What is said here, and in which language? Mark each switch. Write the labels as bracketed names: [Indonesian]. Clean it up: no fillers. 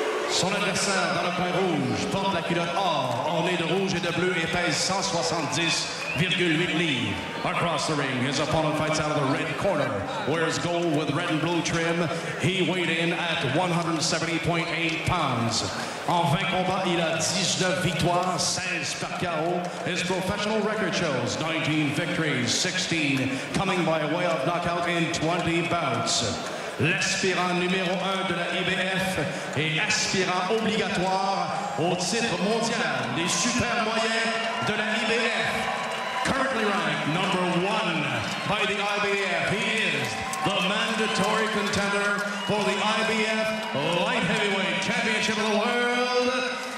[French] Son adversaire dans le coin rouge porte la culotte or, ornée de rouge et de bleu et pèse 170,8 livres. [English] Across the ring, his opponent fights out of the red corner, wears gold with red and blue trim. He weighed in at 170.8 pounds. [French] En 20 combats, il a 19 victoires, 16 par KO. [English] His professional record shows 19 victories, 16 coming by way of knockout in 20 bouts. [French] L'aspirant numéro 1 de la IBF et aspirant obligatoire au titre mondial des super moyens de la IBF. [English] Currently ranked number 1 by the IBF, he is the mandatory contender for the IBF Light Heavyweight Championship of the World.